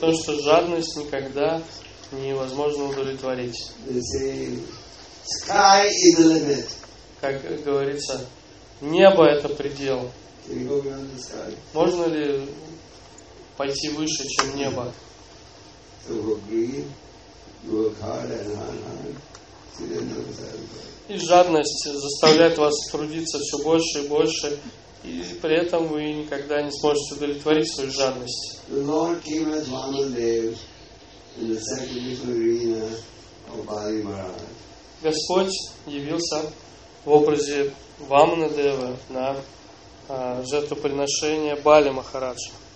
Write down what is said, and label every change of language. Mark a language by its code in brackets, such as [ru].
[ru] То, что жадность никогда невозможно удовлетворить. [en] They say, sky is the limit. [ru] Как говорится, небо это предел. [en] Can you go beyond the sky? [ru] Можно ли пойти выше, чем небо? [en] So for greed, you work hard and hard. See, they're never satisfied. [ru] И жадность заставляет вас трудиться все больше и больше. И при этом вы никогда не сможете удовлетворить свою жадность. Господь явился в образе Вамана Девы на жертвоприношение Бали Махараджа.